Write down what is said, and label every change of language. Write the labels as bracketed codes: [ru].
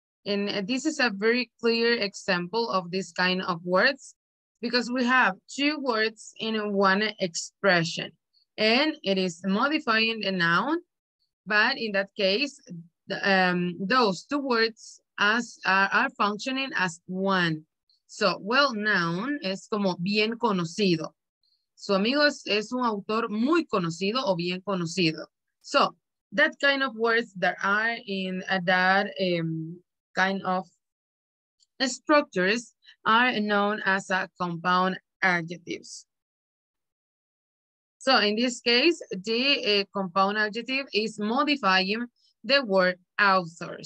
[en] And this is a very clear example of this kind of words because we have two words in one expression and it is modifying the noun. But in that case, those two words are functioning as one. So well known [es] es como bien conocido. Su amigo es un autor muy conocido o bien conocido. [en] So that kind of words that are in that kind of structures are known as a compound adjectives. So in this case, the compound adjective is modifying the word author.